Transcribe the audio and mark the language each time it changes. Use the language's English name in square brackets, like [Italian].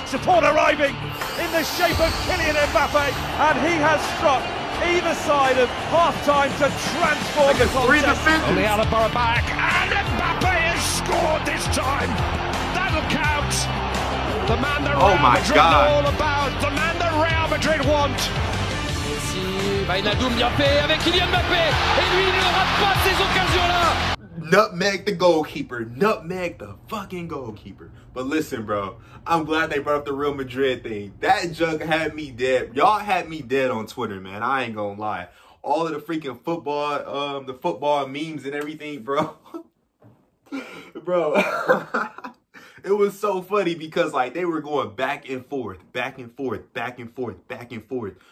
[English] Support arriving in the shape of Kylian Mbappe. And he has struck either side of halftime to transform the contest. Only Alaba back. And Mbappe has scored this time. That'll count. The man that Real Madrid know all about. The man that Real Madrid want. [French] Messi, Wijnaldum, Mbappe, avec Kylian Mbappe. Et lui, il ne rate pas ces occasions-là. [English] Nutmeg the goalkeeper. Nutmeg the fucking goalkeeper. But listen, bro. I'm glad they brought up the Real Madrid thing. That junk had me dead. Y'all had me dead on Twitter, man. I ain't gonna lie. All of the freaking football, the football memes and everything, bro. Bro. It was so funny because, like, they were going back and forth, back and forth, back and forth, back and forth.